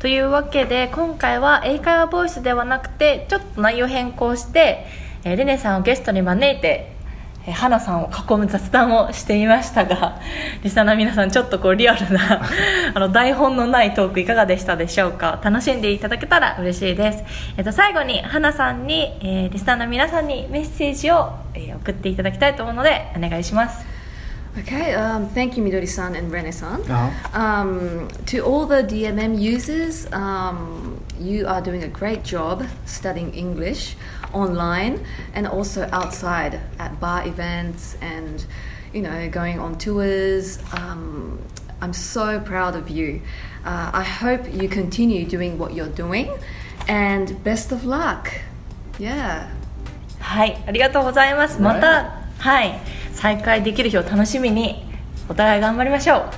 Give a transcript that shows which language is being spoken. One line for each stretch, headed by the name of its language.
Japanese: というわけで今回は英会話ボイスではなくてちょっと内容変更してレネさんをゲストに招いて花さんを囲む雑談をしていましたが、リスナーの皆さん、ちょっとこうリアルなあの台本のないトークいかがでしたでしょうか。楽しんでいただけたら嬉しいです。最後に花さんに、リスナーの皆さんにメッセージを、送っていただきたいと思うのでお願いします。
English: Okay, thank you Midori-san and Rene-san、To all the DMM users、You are doing a great job studying EnglishOnline and also outside at bar events and, you know, going on tours. I'm so proud of you. I hope you continue doing what you're doing and best of luck. Yeah.
Japanese: はい、ありがとうございます。また、はい、再会できる日を楽しみにお互い頑張りましょう。